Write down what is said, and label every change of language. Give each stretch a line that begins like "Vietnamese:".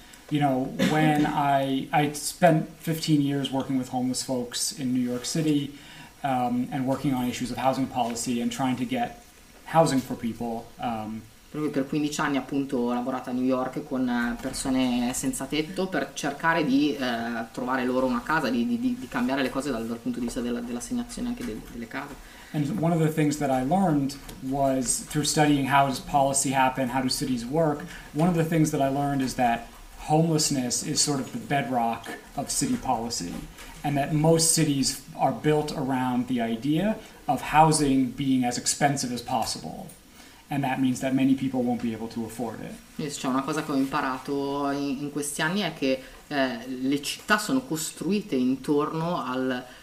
English: You know, when I spent 15 years working with homeless folks in New York City and working on issues of housing policy and trying to get housing for people.
Italian: Proprio per 15 anni appunto ho lavorato a New York con persone senza tetto per cercare di trovare loro una casa, di cambiare le cose dal punto di vista dell'assegnazione anche delle case.
English: And one of the things that I learned was through studying how does policy happen, how do cities work, one of the things that I learned is that homelessness is sort of the bedrock of city policy, and that most cities are built around the idea of housing being as expensive as possible, and that means that many people won't be able to afford it.
Italian: Yes, c'è una cosa che ho imparato in questi anni è che le città sono costruite intorno al